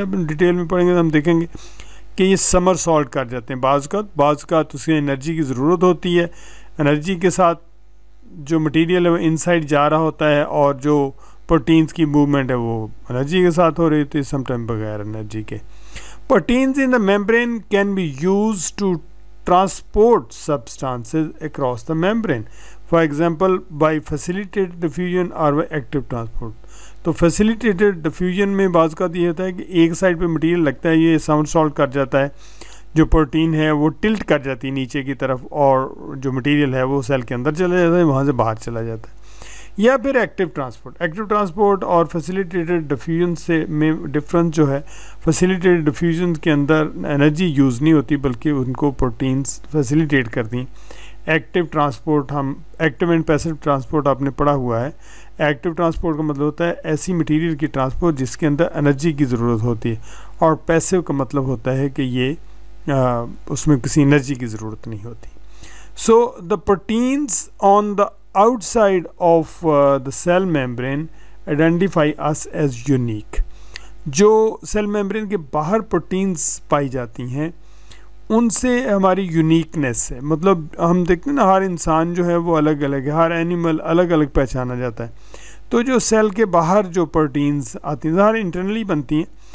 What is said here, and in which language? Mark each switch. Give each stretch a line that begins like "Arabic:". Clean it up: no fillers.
Hindi: जब डिटेल में पढ़ेंगे तो हम देखेंगे कि ये समर सॉल्ट कर जाते हैं बाज़ का तो उसकी एनर्जी की ज़रूरत होती है, एनर्जी के साथ जो मटेरियल है वो इनसाइड जा रहा होता है और जो प्रोटीन्स की मूवमेंट है वो एनर्जी के साथ हो रही होती है, समटाइम बगैर एनर्जी के।
English: Proteins in the membrane can be use to transport substances across the membrane, for example by facilitated diffusion or by active transport.
Hindi: तो facilitated diffusion में बाज़ का ये होता है कि एक साइड पे मटीरियल लगता है ये समर सॉल्ट कर जाता है, जो प्रोटीन है वो टिल्ट कर जाती है नीचे की तरफ और जो मटीरियल है वो सेल के अंदर चला जाता है, वहाँ से बाहर चला जाता है, या फिर एक्टिव ट्रांसपोर्ट और फैसिलिटेटेड डिफ्यूजन से में डिफरेंस जो है, फैसिलिटेटेड डिफ्यूजन के अंदर एनर्जी यूज़ नहीं होती बल्कि उनको प्रोटीन्स फैसिलिटेट करती हैं। एक्टिव ट्रांसपोर्ट, हम एक्टिव एंड पैसिव ट्रांसपोर्ट आपने पढ़ा हुआ है, एक्टिव ट्रांसपोर्ट का मतलब होता है ऐसी मटीरियल की ट्रांसपोर्ट जिसके अंदर एनर्जी की ज़रूरत होती है, और पैसिव का मतलब होता है कि ये उसमें किसी एनर्जी की ज़रूरत नहीं होती।
English: So the proteins on the outside of the cell membrane identify us as unique.
Hindi: जो cell membrane के बाहर proteins पाई जाती हैं उनसे हमारी uniqueness है, मतलब हम देखते हैं ना हर इंसान जो है वो अलग अलग है, हर animal अलग अलग पहचाना जाता है, तो जो cell के बाहर जो proteins आती हैं हर internally बनती हैं